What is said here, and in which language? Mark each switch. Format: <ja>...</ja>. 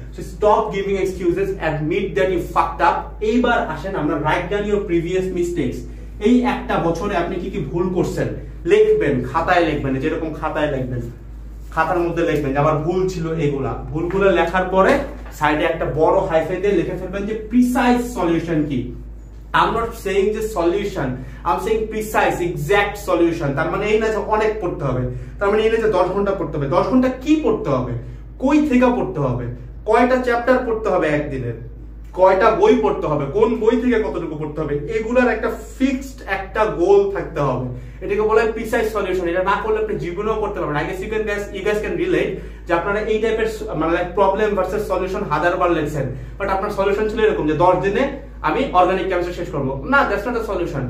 <en>So stop giving excuses, admit that you fucked up.</en> <bn>এইবার আসেন আমরা,</bn> <en>right down your previous mistakes,</en> <bn>এই একটা বছরে আপনি কি কি ভুল করছেন লিখবেন, খাতায় লিখবেন, যেরকম খাতায় লিখবেন, খাতার মধ্যে লিখবেন যে আমার ভুল ছিল এগুলা। ভুলগুলো লেখার পরে সাইডে একটা বড় হাইফাই দিয়ে লিখে ফেলবেন যে প্রিসাইজ সলিউশন কি।</bn> <en>I'm not saying the solution, I'm saying precise, exact solution.</en> <bn>তার মানে এই না যে অনেক পড়তে হবে, তার মানে এই না যে 10 ঘন্টা পড়তে হবে, 10 ঘন্টা কি পড়তে হবে, কই থেকে পড়তে হবে, কয়টা চ্যাপ্টার পড়তে হবে একদিনের, কয়টা বই পড়তে হবে, কোন বই থেকে কতটুকু পড়তে হবে, এগুলার একটা ফিক্সড একটা গোল থাকতে হবে। এটাকে বলা হয় প্রিসাইজ সলিউশন। এটা না করলে আপনি জীবনেও করতে পারবেন।</bn> <en>I guess you can guess, you guess can relate</en> <bn>যে আপনারা এই টাইপের মানে লাইক প্রবলেম ভার্সেস সলিউশন হাজার বার লিখছেন, বাট আপনার সলিউশন ছিল এরকম যে 10 দিনে আমি অর্গানিক কেমিস্ট্রি শেষ করবো। না,</bn> <en>That's not a solution.</en>